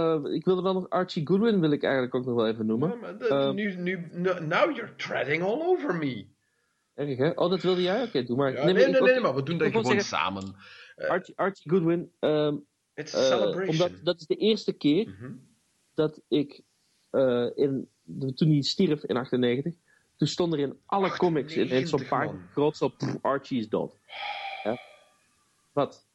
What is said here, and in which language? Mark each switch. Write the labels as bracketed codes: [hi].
[nl] ik wil wel nog Archie Goodwin wil ik eigenlijk ook nog wel even noemen. [en] Ja, now you're treading all over me. [nl] Erg, hè? Oh, dat wilde jij? Oké, doe maar. Ja, nee, maar we doen dat gewoon zeggen, samen. Archie Goodwin. [en] It's a celebration. [nl] Omdat, dat is de eerste keer dat ik, toen hij stierf in 98, toen stond er in alle 98, comics in zo'n paar grootste, Archie is dood. Ja. Wat?